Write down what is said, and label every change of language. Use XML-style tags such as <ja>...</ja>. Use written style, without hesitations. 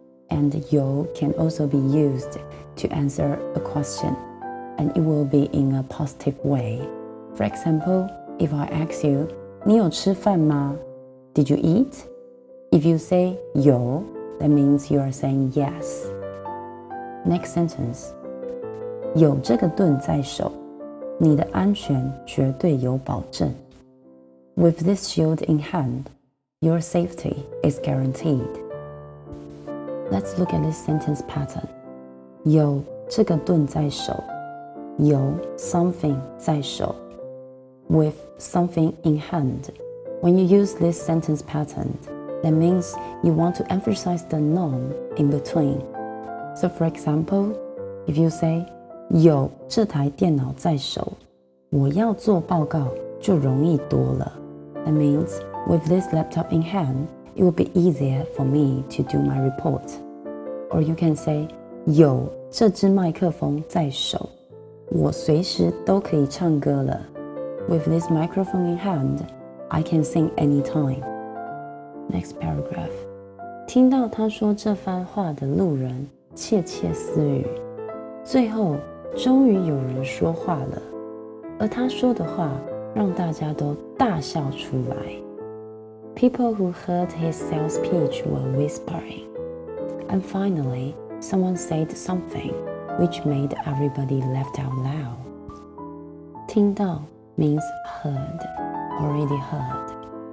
<en>And yo can also be used to answer a question, and it will be in a positive way. For example, if I ask you,</en> <zh>你有吃饭吗?</zh> <en>Did you eat? If you say 有, that means you are saying yes. Next sentence.</en> <zh>有这个盾在手,你的安全绝对有保证。</zh> <en>With this shield in hand, your safety is guaranteed. Let's look at this sentence pattern.</en> <zh>有这个盾在手。</zh> <en>有 something 在手。With something in hand. When you use this sentence pattern, that means you want to emphasize the noun in between. So for example, if you say,</en> <zh>有这台电脑在手。我要做报告就容易多了。</zh> <en>That means, with this laptop in hand, it will be easier for me to do my report. Or you can say,</en> <zh>有这支麦克风在手。我随时都可以唱歌了。</zh> <en>With this microphone in hand, I can sing anytime. Next paragraph.</en> <zh>听到他说这番话的路人窃窃私语。最后终于有人说话了。而他说的话让大家都大笑出来。</zh> <en>People who heard his sales pitch were whispering. And finally, someone said something which made everybody laugh out loud. 听到 means heard, already heard.</en>